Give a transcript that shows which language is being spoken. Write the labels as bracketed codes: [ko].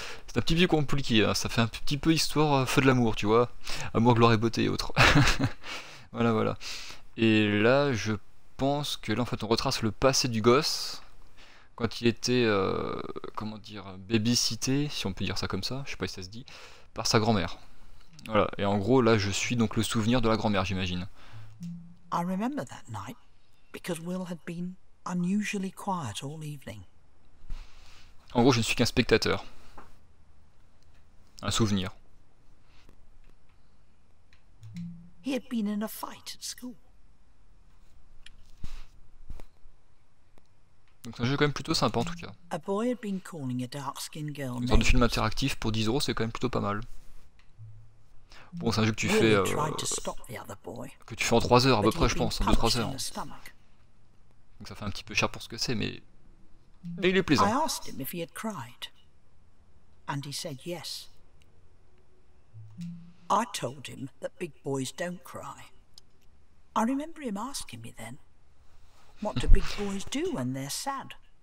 [fr] C'est un petit peu compliqué, hein. Ça fait un petit peu histoire feu de l'amour, tu vois. Amour, gloire et beauté et autres. Voilà, voilà. Et là, je pense que là, en fait, on retrace le passé du gosse, quand il était, comment dire, babysité, si on peut dire ça comme ça, je sais pas si ça se dit, par sa grand-mère. Voilà, et en gros, là, je suis donc le souvenir de la grand-mère, j'imagine. [en] I remember that night because Will had been unusually quiet all evening. [fr] En gros, je ne suis qu'un spectateur. Un souvenir. [en] He had been in a fight at school. [fr] Donc c'est un jeu quand même plutôt sympa en tout cas. [en] A boy had been calling a dark-skinned girl. [fr] Une sorte de film interactif pour 10 euros, c'est quand même plutôt pas mal. Bon, c'est un jeu que tu fais que tu fais en 3 heures à peu près, je pense, 2-3 heures. Donc ça fait un petit peu cher pour ce que c'est, mais il est plaisant. [en] I asked him if he had cried, and he said yes. I told him that big boys don't cry. I remember him asking me then, what do big boys do when they're sad?